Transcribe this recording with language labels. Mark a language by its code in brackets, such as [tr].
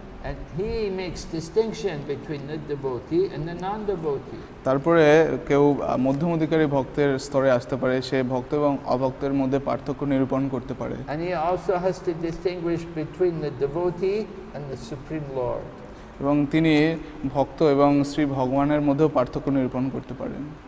[en] And he makes distinction between the devotee and the non-devotee. [bn] তারপরে কেউ মধ্যম অধিকারী ভক্তের স্তরে আসতে পারে, সে ভক্ত এবং অভক্তের মধ্যে পার্থক্য নিরূপণ করতে পারে। [en] And he also has to distinguish between the devotee and the supreme lord. [bn] এবং তিনি ভক্ত এবং শ্রী ভগবানের মধ্যেও পার্থক্য নিরূপণ করতে পারেন।